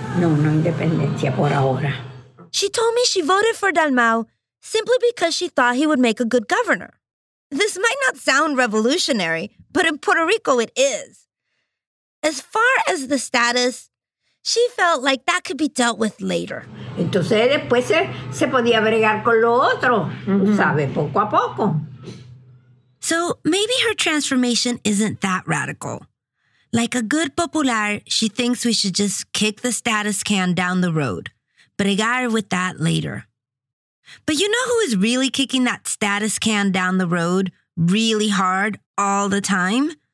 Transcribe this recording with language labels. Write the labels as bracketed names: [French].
[Spanish] No, no independencia por ahora. [English] She told me she voted for Dalmau simply because she thought he would make a good governor. This might not sound revolutionary, but in Puerto Rico it is. As far as the status, she felt like that could be dealt with later. [Spanish] Entonces después se podía bregar con lo otro, sabe, poco a poco. [English] So maybe her transformation isn't that radical. Like a good popular, she thinks we should just kick the status can down the road, bregar with that later. But you know who is really kicking that status can down the road really hard all the time?